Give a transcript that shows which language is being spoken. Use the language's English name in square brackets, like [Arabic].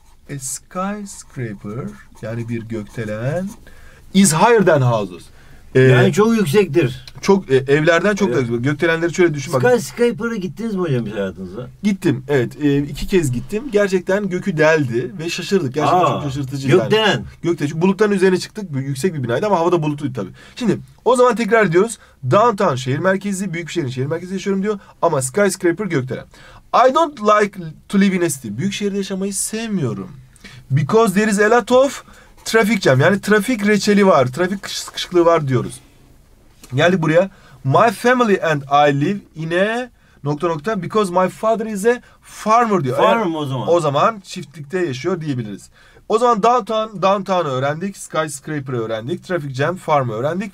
[English] A skyscraper [Turkish] yani bir gökdelen [English] is higher than houses. [Turkish] Yani çok yüksektir. Çok evlerden çok evet. Da gökdelenleri şöyle düşün. Skyscraper'a gittiniz mi hocam hayatınızda? Gittim evet. İki kez gittim. Gerçekten gökü deldi ve şaşırdık. Gerçekten çok şaşırtıcıydı. Gökdelen. Yani. Gökdelen. Bulutların üzerine çıktık. Yüksek bir binaydı ama havada bulutlu tabii. Şimdi o zaman tekrar diyoruz. Downtown şehir merkezi. Büyük bir şehrin şehir merkezi yaşıyorum diyor. Ama skyscraper gökdelen. [English] I don't like to live in a city. [Turkish] Büyük şehirde yaşamayı sevmiyorum. [English] Because there is a lot of... [Turkish] Trafik jam yani trafik reçeli var, trafik sıkışıklığı var diyoruz. Geldik buraya. [English] My family and I live in a [Turkish] nokta nokta [English] because my father is a farmer [Turkish] diyor. Farmer mı o zaman? O zaman çiftlikte yaşıyor diyebiliriz. O zaman downtown'ı öğrendik, skyscraper'ı öğrendik, trafik jam, farm'ı öğrendik.